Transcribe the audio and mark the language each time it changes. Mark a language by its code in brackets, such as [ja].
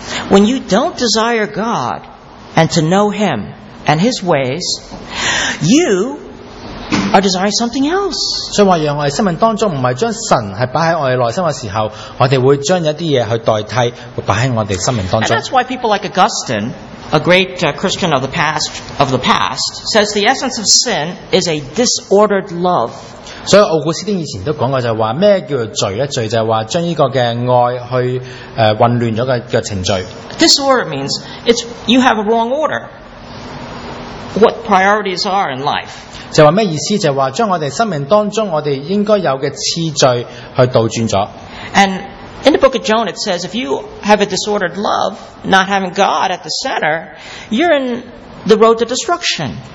[en] When you don't desire God and to know Him and His ways, you are desiring something else. [yue] 所以话，让我哋生命当中唔系将神系摆喺我哋内心嘅时候，我哋会将一啲嘢去代替，摆喺我哋生命当中。 [en] And that's why people like Augustine, a great Christian of the past, says the essence of sin is a disordered love. [yue] 所以奥古斯丁以前都讲过，就话咩叫做罪咧？罪就系话将呢个嘅爱去混乱咗嘅程序。 [en] Disorder means it's you have a wrong order. What priorities are in life? [yue] 就话咩意思？就话将我哋生命当中我哋应该有嘅次序去倒转咗。 [en] And in the book of Jonah, it says if you have a disordered love, not having God at the center, you're in the road to destruction.